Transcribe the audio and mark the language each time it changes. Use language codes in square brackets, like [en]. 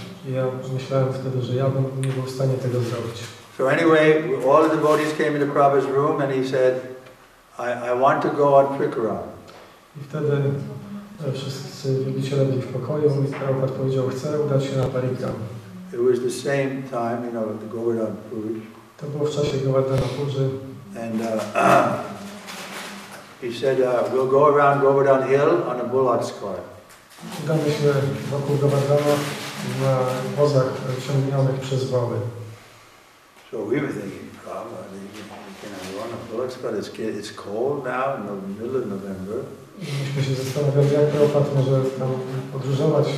[pl] I ja myślałem wtedy, że ja bym nie był w stanie tego zrobić. [en] So anyway, all the devotees came into Prabhupada's room and he said, I want to go on Prikram. [pl] I wtedy wszyscy wielbiciele byli w pokoju i Prabhupada powiedział, chcę udać się na Parikram. [en] It was the same time, you know, the Govardhan Puja. [pl] To było w czasie Govardhana Puja. [en] And he said, we'll go around Govardhan Hill on a bullock's car. [pl] Udamy się wokół Govardhana na wozach ciągnionych przez woły. [en] So we were thinking, Prabhupada, you know, we're on a bullock's car, it's cold now, in the middle of November. [pl] Myśmy się zastanawiali, jak Prabhupada może tam podróżować.